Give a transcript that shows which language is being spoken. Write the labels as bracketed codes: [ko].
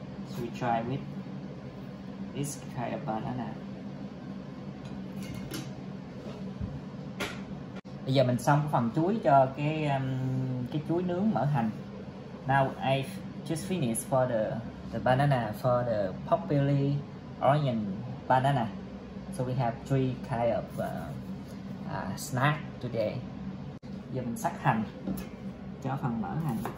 [en] So we try with this kind of banana. [vi] Bây giờ mình xong phần chuối cho cái chuối nướng mỡ hành. [en] Now I just finished for the banana, for the pork belly, onion, banana. So we have 3 kind of snack today. [vi] Giờ mình sắc hành cho phần mỡ hành.